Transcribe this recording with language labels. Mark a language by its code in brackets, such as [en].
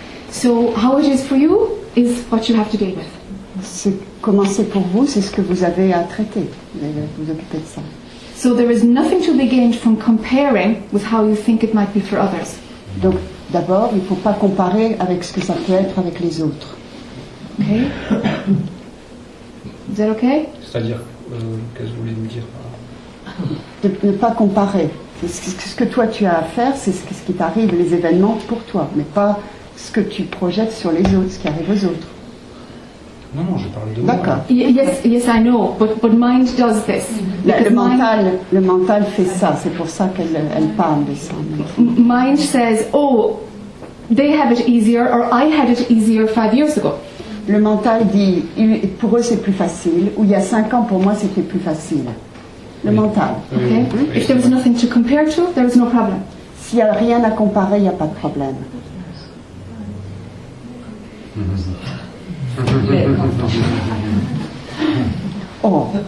[en] So how it is for you is what you have to deal with. [fr] C'est commencé pour vous, c'est ce que vous avez à traiter. Vous occupez de ça. [en] So there is nothing to be gained from comparing with how you think it might be for others. [fr] Donc d'abord, il ne faut pas comparer avec ce que ça peut être avec les autres. [en] Okay. Is that okay? [fr] C'est-à-dire, qu'est-ce que vous voulez me dire? De ne pas comparer. Ce que toi tu as à faire, c'est ce qui t'arrive, les événements pour toi, mais pas ce que tu projettes sur les autres, ce qui arrive aux autres. Non, non, je parle de d'accord. Moi. D'accord. [en] Yes, I know, but mind does this. [fr] Le mental fait ça, c'est pour ça qu'elle parle de ça. [en] Mind says, oh, they have it easier, or I had it easier 5 years ago. [fr] Le mental dit, pour eux c'est plus facile, ou il y a 5 ans pour moi c'était plus facile. Le mental. [en] Okay. If there was nothing to compare to, there was no problem. [fr] S'il y a rien à comparer, il n'y a pas de problème. Oh.